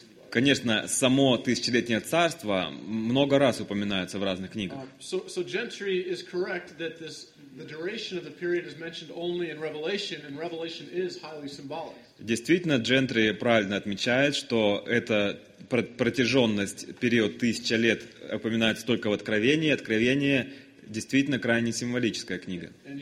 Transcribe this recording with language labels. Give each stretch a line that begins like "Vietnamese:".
Russian: Конечно, само тысячелетнее царство много раз упоминается в разных книгах.
English: So Gentry is correct that this the duration of the period is mentioned only in Revelation, and Revelation is highly symbolic.
Russian: Действительно, Джентри правильно отмечает, что эта протяженность, период тысяча лет, упоминается только в Откровении. Откровение действительно крайне символическая книга.